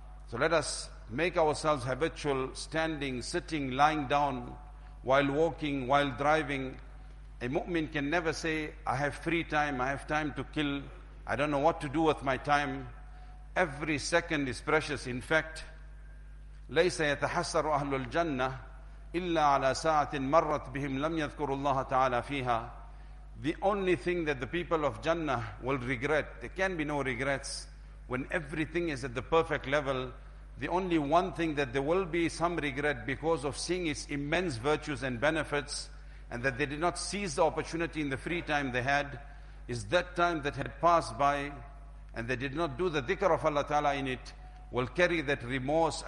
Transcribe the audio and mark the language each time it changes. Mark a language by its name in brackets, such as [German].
[English] So let us make ourselves habitual, standing, sitting, lying down, while walking, while driving. A mu'min can never say, I have free time, I have time to kill, I don't know what to do with my time. Every second is precious. In fact, [Arabic] لَيْسَ يَتَحَسَّرُ أَهْلُ الْجَنَّةِ إِلَّا عَلَىٰ سَاعَةٍ مَرَّتْ بِهِمْ لَمْ يَذْكُرُ اللَّهَ تَعَالَىٰ فِيهَا. [English] The only thing that the people of Jannah will regret, there can be no regrets, when everything is at the perfect level, the only one thing that there will be some regret because of seeing its immense virtues and benefits, and that they did not seize the opportunity in the free time they had, is that time that had passed by and they did not do the dhikr of Allah Ta'ala in it, will carry that remorse.